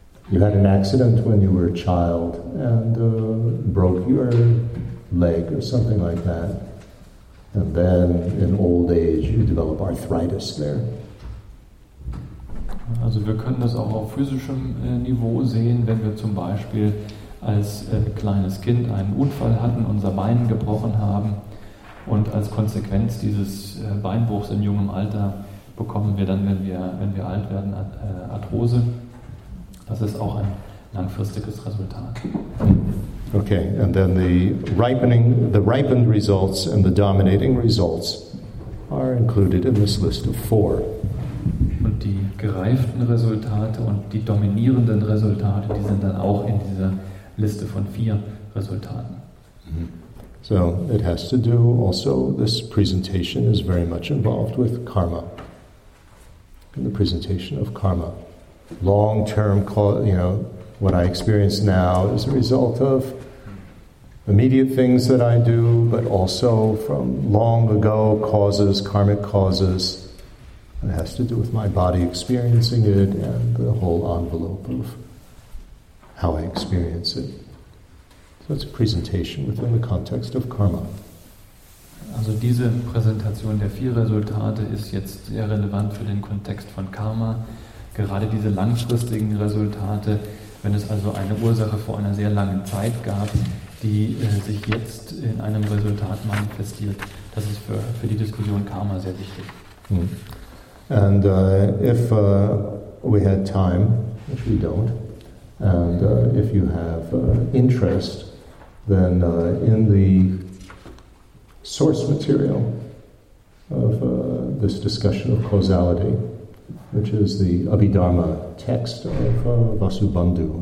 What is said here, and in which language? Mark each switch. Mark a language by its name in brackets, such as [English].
[English] You had an accident when you were a child and broke your leg or something like that. And then in old age you develop arthritis there. [German] Also wir können das auch auf physischem Niveau sehen, wenn wir zum Beispiel als kleines Kind einen Unfall hatten, unser Bein gebrochen haben, und als Konsequenz dieses Beinbruchs in jungem Alter bekommen wir dann, wenn wir alt werden, Arthrose. Das ist auch ein langfristiges Resultat. [English] Okay, and then the ripened results and the dominating results are included in this list of four. [German] Und die gereiften Resultate und die dominierenden Resultate, die sind dann auch in dieser Liste von vier Resultaten. [English] So, it has to do also, this presentation is very much involved with karma. In the presentation of karma. Long-term, what I experience now is a result of immediate things that I do, but also from long ago causes, karmic causes. It has to do with my body experiencing it and the whole envelope of how I experience it. So it's a presentation within the context of karma. [German] Also diese Präsentation der vier Resultate ist jetzt sehr relevant für den Kontext von Karma. Gerade diese langfristigen Resultate, wenn es also eine Ursache vor einer sehr langen Zeit gab, die sich jetzt in einem Resultat manifestiert, das ist für die Diskussion Karma sehr wichtig. [English] And if we had time, which we don't, and if you have interest, then in the source material of this discussion of causality, which is the Abhidharma text of Vasubandhu.